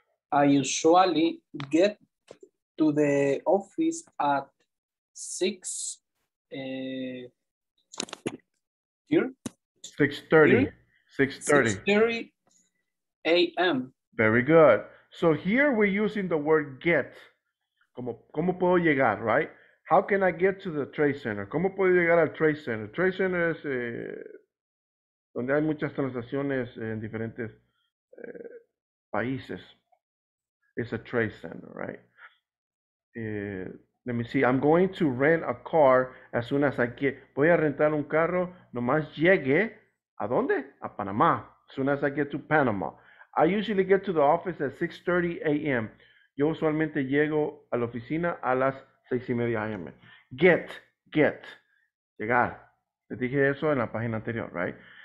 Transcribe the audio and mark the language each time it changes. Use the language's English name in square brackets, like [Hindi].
[English] I usually get to the office at 6:30 a.m. Very good. So here we're using the word get. [Spanish] ¿Cómo puedo llegar, right? [English] How can I get to the trade center? [Spanish] ¿Cómo puedo llegar al trade center? Trade center es donde hay muchas transacciones en diferentes países. [English] It's a trade center, right? Let me see. I'm going to rent a car as soon as I get. [Spanish] Voy a rentar un carro nomás llegue. ¿A dónde? A Panamá. [English] As soon as I get to Panama. I usually get to the office at 6:30 a.m. [Spanish] Yo usualmente llego a la oficina a las 6:30 a.m. Get. Llegar. Les dije eso en la página anterior, right?